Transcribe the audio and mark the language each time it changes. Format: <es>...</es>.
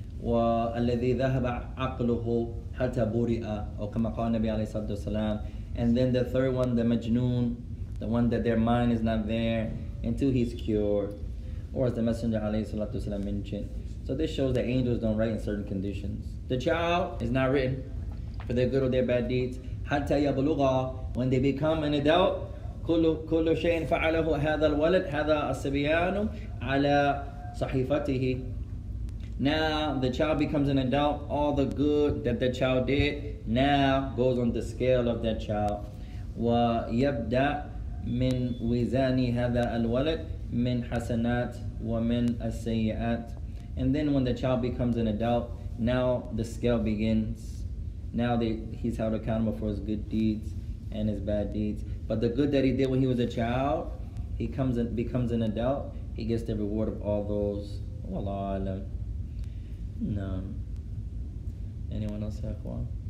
<ar>والذي ذهب عقله حتى برئ, أو كما قال النبي عليه الصلاة والسلام.</ar> <en>And then the third one, the مجنون, the one that their mind is not there until he's cured, or as the Messenger alayhi salatu wasalam mentioned. So this shows that angels don't write in certain conditions. The child is not written for their good or their bad deeds.</en> <ar>حَتَّى يَبْلُغَ,</ar> <en>when they become an adult,</en> <ar>كُلُّ شَيْءٍ فَعَلَهُ هَذَا الْوَلَدْ هَذَا الصَّبِيَانُ عَلَى صَحِيفَتِهِ.</ar> <en>Now the child becomes an adult, all the good that the child did now goes on the scale of that child.</en> <ar>وَيَبْدَأ من وزان هذا الولد من حسنات ومن السيئات.</ar> <en>And then when the child becomes an adult, now the scale begins. Now he's held accountable for his good deeds and his bad deeds. But the good that he did when he was a child, he comes and becomes an adult, he gets the reward of all those. Wallahu alam. No. Anyone else have one?</en>